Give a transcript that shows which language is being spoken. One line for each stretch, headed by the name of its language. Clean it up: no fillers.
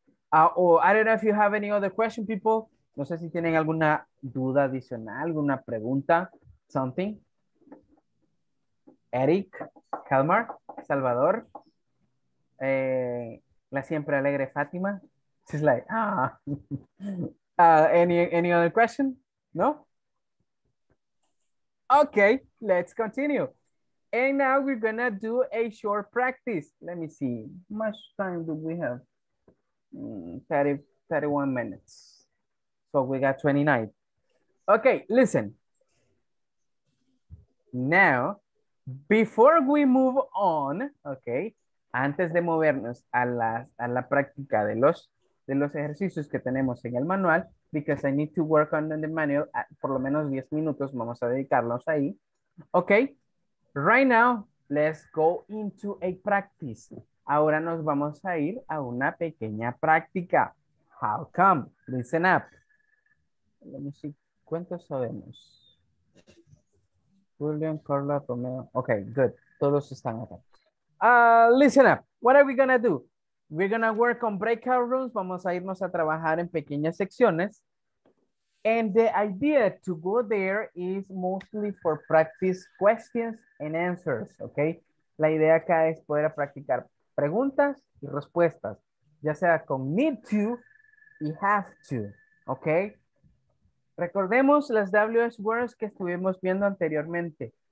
English: I don't know if you have any other question, people.
Spanish: No sé si tienen alguna duda adicional, alguna pregunta, something. Eric, Helmar, Salvador, la siempre alegre Fátima.
English: She's like, ah. Any other question? No? Okay, let's continue. And now we're gonna do a short practice. Let me see. How much time do we have? 31 minutes. So we got 29. Okay, listen. Now, before we move on,
Spanish: okay, antes de movernos a la práctica de los ejercicios que tenemos en el manual,
English: because I need to work on the manual.
Spanish: Por lo menos 10 minutos vamos a dedicarlos ahí.
English: Ok, right now, let's go into a practice.
Spanish: Ahora nos vamos a ir a una pequeña práctica.
English: How come? Listen up. Let me see.
Spanish: ¿Cuántos sabemos? William, Carla, Romeo. Ok, good. Todos están acá.
English: Listen up. What are we going to do? We're going to work on breakout rooms.
Spanish: Vamos a irnos a trabajar en pequeñas secciones.
English: And the idea to go there is mostly for practice questions and answers. Ok.
Spanish: La idea acá es poder practicar preguntas y respuestas. Ya sea con need to y have to. Ok. Recordemos las WH words que estuvimos viendo anteriormente.